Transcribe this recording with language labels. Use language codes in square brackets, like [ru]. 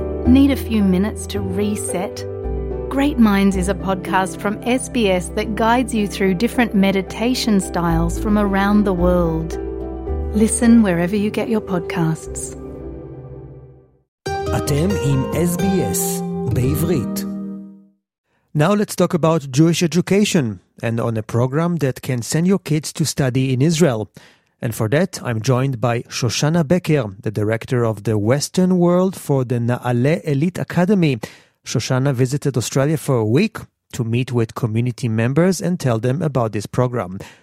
[en] Need a few minutes to reset? Great Minds is a podcast from SBS that guides you through different meditation styles from around the world. Listen wherever you get your podcasts. [he] אתם עם SBS בעברית. [en] Now let's talk about Jewish education and on a program that can send your kids to study in Israel. And for that, I'm joined by Shoshana Becker, the director of the Western World for the Na'ale Elite Academy. Shoshana visited Australia for a week to meet with community members and tell them about this program.